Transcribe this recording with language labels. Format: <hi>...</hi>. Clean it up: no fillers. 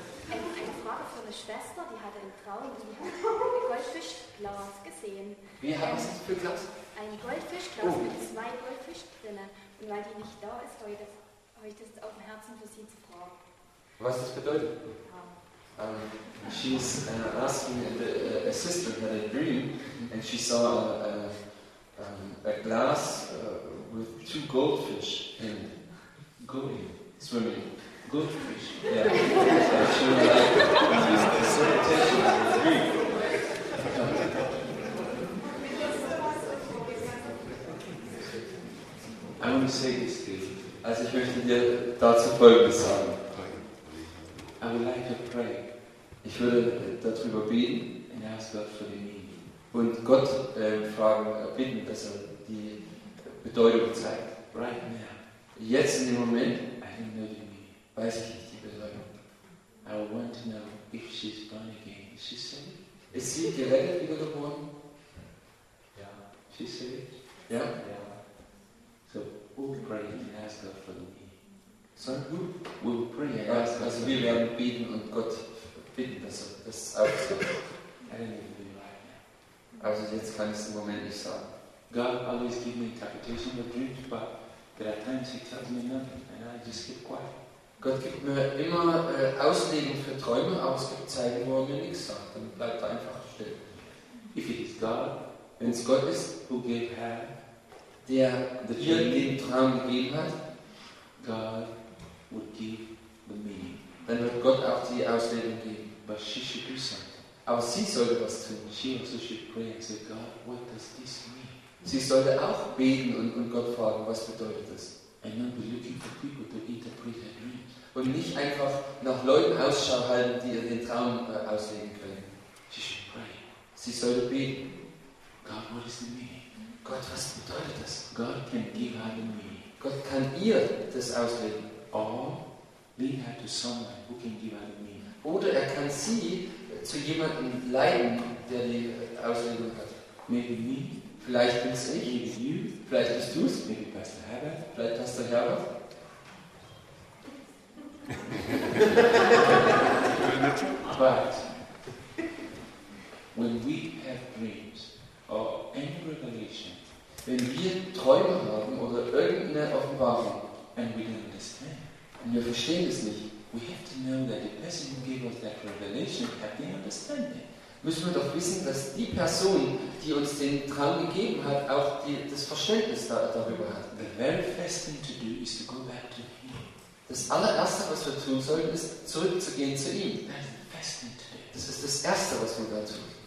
<de>Eine Frage von der Schwester, die hatte einen Traum. Die hat ein Goldfischglas gesehen. Wie haben Sie das für Glas? Ein Goldfischglas mit 2 Goldfisch drinnen. Und weil die nicht da ist, habe ich das auf dem Herzen für sie zu fragen. Was das bedeutet? Ja.</de> <en>She's asking the assistant had a dream and she saw a glass with 2 goldfish in going swimming. Goldfish. Yeah. And she was like, this is the dream. I want to say this to you.</en> <de>Also ich möchte dir dazu Folgendes sagen.</de> <en>I would like to pray.</en> <de>Ich würde darüber beten.</de> <en>And ask God for the meaning.</en> <de>Und Gott bitten, dass er die Bedeutung zeigt.</de> <en>Right now.</en> <de>Jetzt in dem Moment.</de> <en>I don't know the meaning.</en> <de>Weiß ich nicht die Bedeutung.</de> <en>I want to know if she's born again. Is she saved?</en> <de>Ist sie gerettet wieder geboren?</de> <en>Ja. She saved?</en> <de>Ja. Ja.</de> <en>So we'll pray and ask God for the meaning. So who will pray and ask God?</en> <de>Also wir werden beten und Gott bitten, dass er das auch so.</de> <en>I don't even believe right now.</en> <de>Also jetzt kann ich es im Moment nicht sagen.</de> <en>God always gives me interpretation of dreams, but there are times he tells me nothing and I just keep quiet.</en> <de>Gott gibt mir immer Auslegung für Träume, aber es gibt Zeiten, wo er mir nichts sagt. Dann bleibt er einfach still.</de> <en>If it is God,</en> <de>wenn es Gott ist,</de> <en>who gave her,</en> <de>der dir den Traum gegeben hat,</de> <en>God would give the meaning.</en> <de>Dann wird Gott auch die Auslegung geben.</de> <en>But she should do something.</en> <de>Aber sie sollte was tun.</de> <en>She also should pray and say, God, what does this mean?</en> <de>Sie sollte auch beten und Gott fragen, was bedeutet das?</de> <en>And not be looking for people to interpret her dream.</en> <de>Und nicht einfach nach Leuten Ausschau halten, die ihr den Traum auslegen können.</de> <en>She should pray.</en> <de>Sie sollte beten.</de> <en>God, what is the meaning?</en> <de>Gott, was bedeutet das?</de> <en>God can give her the meaning.</en> <de>Gott kann ihr das auslegen.</de> <en>Or lead her to someone who can give her the meaning.</en> <de>Oder er kann sie zu jemandem leiten, der die Auslegung hat.</de> <en>Maybe me.</en> <de>Vielleicht bin es ich.</de> <en>Maybe you.</en> <de>Vielleicht bist du es.</de> <en>Maybe Pastor Herbert.</en> <de>Vielleicht Pastor Herbert.</de> <en>But when we have dreams or any revelation,</en> <de>wenn wir Träume haben oder irgendeine Offenbarung,</de> <en>and we don't understand,</en> <de>und wir verstehen es nicht,</de> <en>we have to know that the person who gave us that revelation had the understanding.</en> <de>Müssen wir doch wissen, dass die Person, die uns den Traum gegeben hat, auch das Verständnis darüber hat.</de> <en>The very first thing to do is to go back to him.</en> <de>Das allererste, was wir tun sollten, ist zurückzugehen zu ihm.</de> <en>That's the first thing to do.</en> <de>Das ist das Erste, was wir da tun.</de>